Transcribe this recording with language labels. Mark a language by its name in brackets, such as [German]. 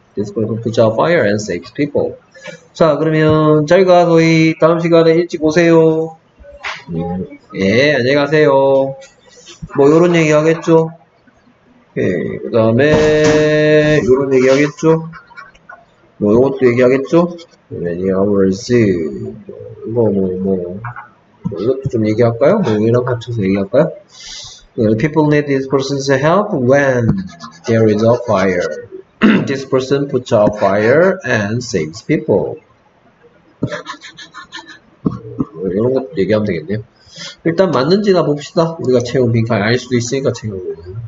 [English] This person puts out fire and saves people. [Korean] 자, 그러면 저희가 저희 다음 시간에 일찍 오세요. 예, 안녕히 가세요. 뭐 이런 얘기 하겠죠. 예, 그 다음에 이런 얘기 하겠죠. 뭐 이것도 얘기 하겠죠. [English] Many hours. [Korean] 뭐 뭐 이것도 좀 얘기할까요? 뭐 이런 거 쳐서 얘기할까요? [English] People need this person's help when there is a fire. This person puts out fire and saves people. [Korean] 이런 것도 얘기하면 되겠네요. 일단 맞는지 나 봅시다. 우리가 채운 빈칸 알 수도 있으니까 채운 거.